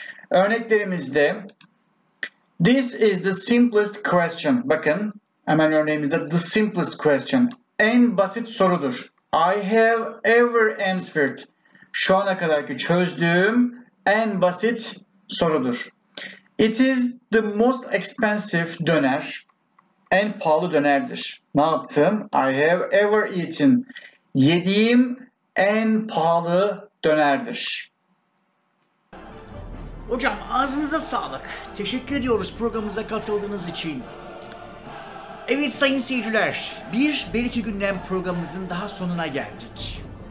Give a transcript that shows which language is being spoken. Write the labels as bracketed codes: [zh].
[tr] Örneklerimizde [en] this is the simplest question. [tr] Bakın hemen örneğimizde [en] the simplest question. [tr] En basit sorudur. [en] I have ever answered. [tr] Şu ana kadarki çözdüğüm en basit sorudur. [en] It is the most expensive döner. [tr] En pahalı dönerdir. Ne yaptım? [en] I have ever eaten. [tr] Yediğim en pahalı dönerdir. Hocam ağzınıza sağlık. Teşekkür ediyoruz programımıza katıldığınız için. Evet sayın seyirciler, bir Beriki Gündem programımızın daha sonuna geldik.